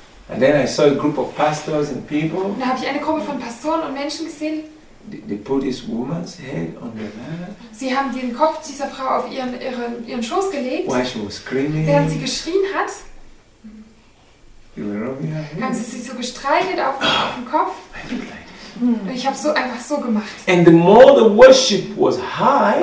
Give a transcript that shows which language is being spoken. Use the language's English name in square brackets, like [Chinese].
[English] And then I saw a group of pastors and people. [German] Da habe ich eine Gruppe von Pastoren und Menschen gesehen. [English] They put this woman's head on their lap. [German] Sie haben den Kopf dieser Frau auf ihren Schoß gelegt. [English] While she was screaming. [German] Während sie geschrien hat. [English] You were rubbing her head. [German] Haben sie sich so gestreichelt auf den Kopf. Und ich habe so einfach so gemacht. [English] And the more the worship was high,